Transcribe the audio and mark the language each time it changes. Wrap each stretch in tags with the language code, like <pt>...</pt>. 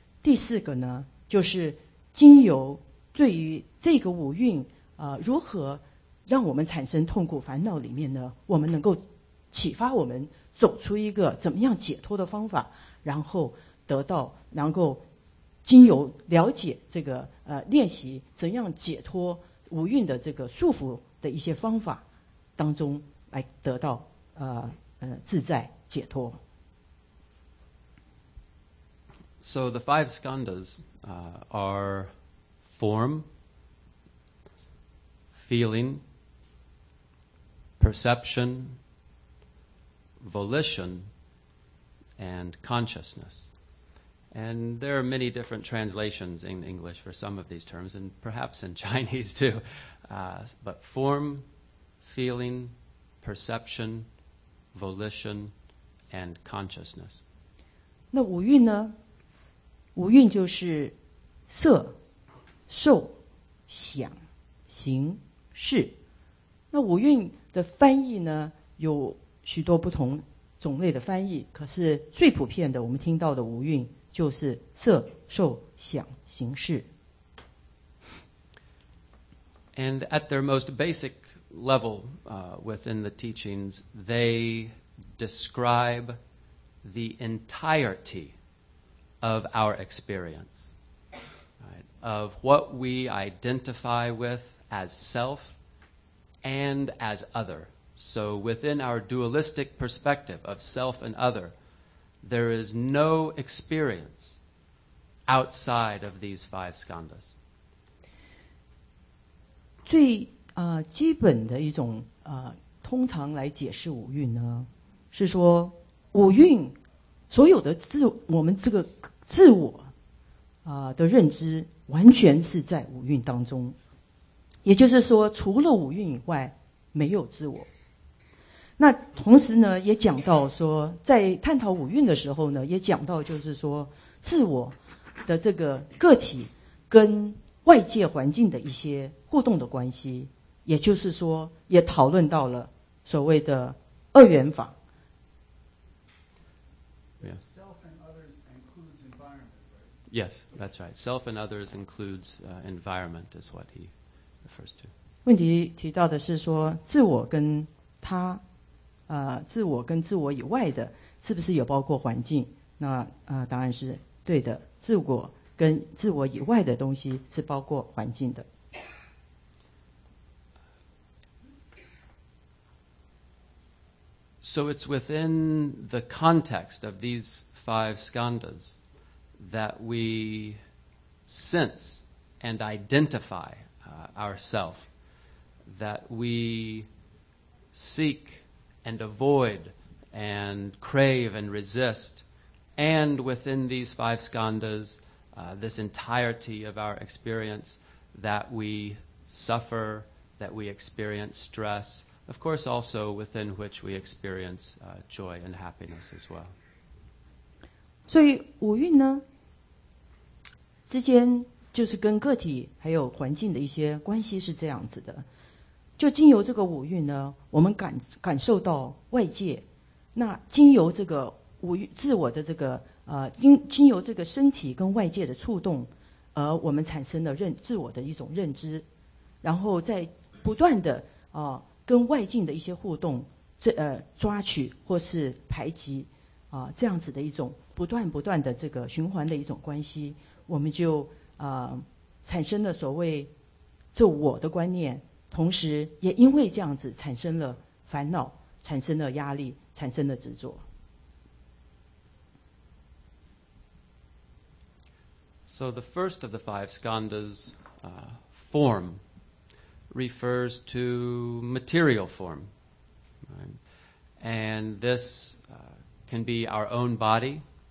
<zh>第四个呢，就是经由对于这个五蕴如何让我们产生痛苦烦恼里面呢，我们能够启发我们走出一个怎么样解脱的方法，然后得到能够经由了解这个练习怎样解脱五蕴的这个束缚的一些方法当中来得到自在解脱。</zh> <en>So the five skandhas are form, feeling, perception,volition and consciousness. And there are many different translations in English for some of these terms, and perhaps in Chinese too. But form, feeling, perception, volition and consciousness.</en> <zh>那五蕴呢？五蕴就是色、受、想、行、识。那五蕴的翻译呢，有许多不同种类的翻译，可是最普遍的我们听到的五蕴就是色、受、想、行、识。</zh> <en>And at their most basic level, within the teachings, they describe the entirety of our experience, right? Of what we identify with as self and as other. So within our dualistic perspective of self and other, there is no experience outside of these five skandhas.</en> <zh>最基本的一种通常来解释五蕴呢，是说五蕴所有的我们这个自我的认知完全是在五蕴当中，也就是说除了五蕴以外没有自我。那同时呢，也讲到说，在探讨五蕴的时候呢，也讲到就是说，自我的这个个体跟外界环境的一些互动的关系，也就是说也讨论到了所谓的二元法。</zh> <en>Self and others includes environment. Yes, that's right. Self and others includes environment is what he refers to.</en> <zh>问题提到的是说自我跟他自我跟自我以外的是不是有包括环境，那答案是对的，自我跟自我以外的东西是包括环境的。</zh> <en>So it's within the context of these five skandhas that we sense and identify ourself, that we seek and avoid and crave and resist, and within these five skandhas, this entirety of our experience, that we suffer, that we experience stress, of course also within which we experience joy and happiness as well.</en> <zh>所以五蕴呢之间就是跟个体还有环境的一些关系是这样子的，就经由这个五蕴呢，我们感受到外界，那经由这个五蕴自我的这个经由这个身体跟外界的触动，而我们产生了自我的一种认知，然后在不断的跟外境的一些互动，抓取或是排挤这样子的一种不断的这个循环的一种关系，我们就产生了所谓自我的观念，同时也因为这样子产生了烦恼，产生了压力，产生了执着。</zh> <en>So the first of the five skandhas, form, refers to material form, right? And this can be our own body.</en>